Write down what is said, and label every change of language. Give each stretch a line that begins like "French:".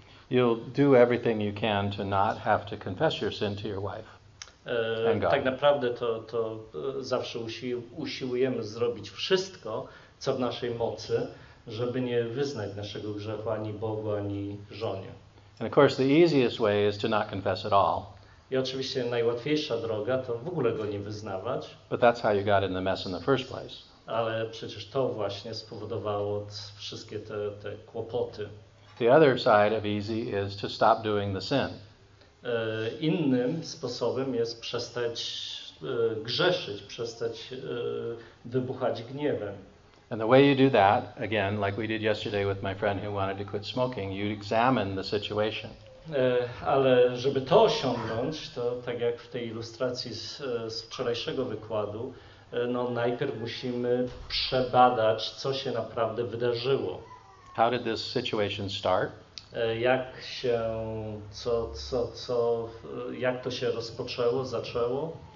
English: You'll do everything you can to not have to confess your sin to your wife.
Polish: Tak naprawdę to zawsze usiłujemy zrobić wszystko, co w naszej mocy, żeby nie wyznać naszego grzechu ani Bogu, ani żonie.
English: And of course the easiest way is to not confess at all.
Polish: I oczywiście najłatwiejsza droga to w ogóle go nie wyznawać.
English: But that's how you got in the mess in the first place.
Polish: Ale przecież to właśnie spowodowało wszystkie te kłopoty.
English: The other side of easy is to stop doing the sin.
Polish: Innym sposobem jest przestać grzeszyć, przestać wybuchać gniewem.
English: And the way you do that, again, like we did yesterday with my friend who wanted to quit smoking, you examine the situation.
Polish: Ale żeby to osiągnąć, to tak jak w tej ilustracji z wczorajszego wykładu, no najpierw musimy przebadać, co się naprawdę wydarzyło.
English: How did this situation start?
Polish: Jak się, co, jak to się rozpoczęło, zaczęło?